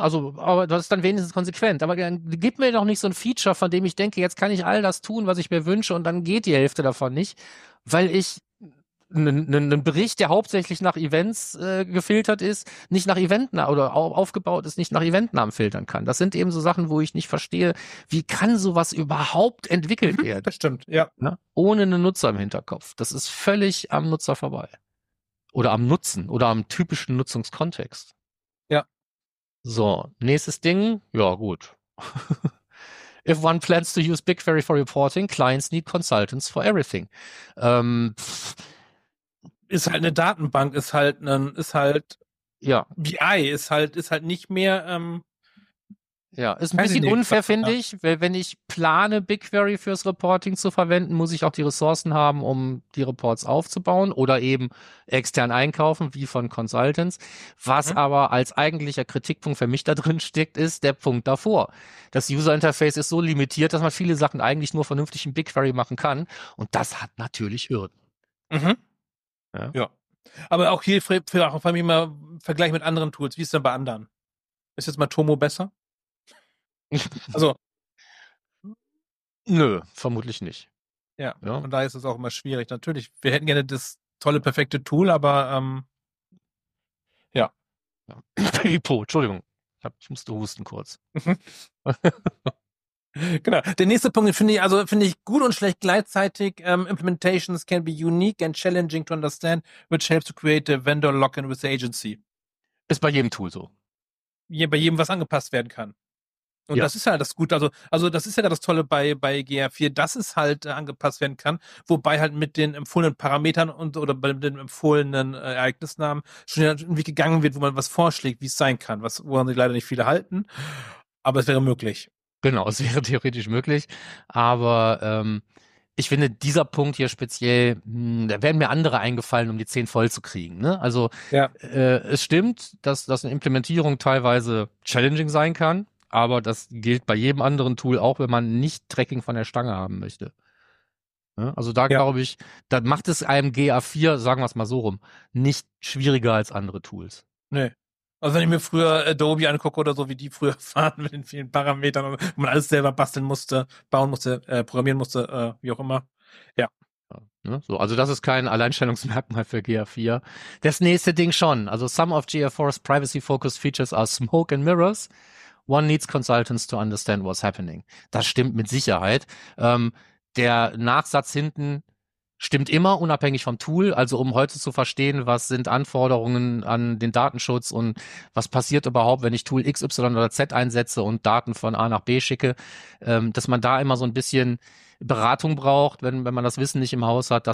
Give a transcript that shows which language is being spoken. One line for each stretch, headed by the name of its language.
German: Also, aber das ist dann wenigstens konsequent. Aber gib mir doch nicht so ein Feature, von dem ich denke, jetzt kann ich all das tun, was ich mir wünsche, und dann geht die Hälfte davon nicht, weil ich einen Bericht, der hauptsächlich nach Events gefiltert ist, nicht nach Eventnamen oder aufgebaut ist, nicht nach Eventnamen filtern kann. Das sind eben so Sachen, wo ich nicht verstehe, wie kann sowas überhaupt entwickelt werden? Das stimmt, ja. Ne? Ohne einen Nutzer im Hinterkopf. Das ist völlig am Nutzer vorbei. Oder am Nutzen oder am typischen Nutzungskontext. So, nächstes Ding, ja gut.
English: If one plans to use BigQuery for reporting, clients need consultants for everything.
German: Ist halt eine Datenbank, ist halt nicht mehr. Ja, ist ein bisschen unfair, finde ich, weil wenn ich plane, BigQuery fürs Reporting zu verwenden, muss ich auch die Ressourcen haben, um die Reports aufzubauen oder eben extern einkaufen, wie von Consultants. Was aber als eigentlicher Kritikpunkt für mich da drin steckt, ist der Punkt davor. Das User Interface ist so limitiert, dass man viele Sachen eigentlich nur vernünftig in BigQuery machen kann. Und das hat natürlich Hürden. Mhm. Ja. Aber auch hier vor allem mal im Vergleich mit anderen Tools. Wie ist es denn bei anderen? Ist jetzt mal Tomo besser? Also, nö, vermutlich nicht. Ja, ja, und da ist es auch immer schwierig. Natürlich, wir hätten gerne das tolle, perfekte Tool, aber ja. Pipo, Entschuldigung, ich musste husten kurz. Genau, der nächste Punkt, finde ich gut und schlecht gleichzeitig.
English: Implementations can be unique and challenging to understand, which helps to create a vendor lock-in with the agency.
German: Ist bei jedem Tool so. Ja, bei jedem, was angepasst werden kann. Und Das ist ja das Gute, also das ist ja das Tolle bei GR4, dass es halt angepasst werden kann, wobei halt mit den empfohlenen Parametern und oder bei den empfohlenen Ereignisnamen schon irgendwie gegangen wird, wo man was vorschlägt, wie es sein kann, woran sich leider nicht viele halten, aber es wäre möglich. Genau, es wäre theoretisch möglich, aber ich finde, dieser Punkt hier speziell, da werden mir andere eingefallen, um die 10 voll zu kriegen. Ne? Also ja. Es stimmt, dass eine Implementierung teilweise challenging sein kann, aber das gilt bei jedem anderen Tool auch, wenn man nicht Tracking von der Stange haben möchte. Also da glaube ich, da macht es einem GA4, sagen wir es mal so rum, nicht schwieriger als andere Tools. Nee. Also wenn ich mir früher Adobe angucke oder so, wie die früher fahren mit den vielen Parametern und man alles selber basteln musste, bauen musste, programmieren musste, wie auch immer. Ja. So, also das ist kein Alleinstellungsmerkmal für GA4. Das nächste Ding schon.
English: Also some of GA4's privacy-focused features are smoke and mirrors. One needs consultants to understand what's happening.
German: Das stimmt mit Sicherheit. Der Nachsatz hinten stimmt immer, unabhängig vom Tool. Also um heute zu verstehen, was sind Anforderungen an den Datenschutz und was passiert überhaupt, wenn ich Tool X, Y oder Z einsetze und Daten von A nach B schicke, dass man da immer so ein bisschen Beratung braucht, wenn man das Wissen nicht im Haus hat.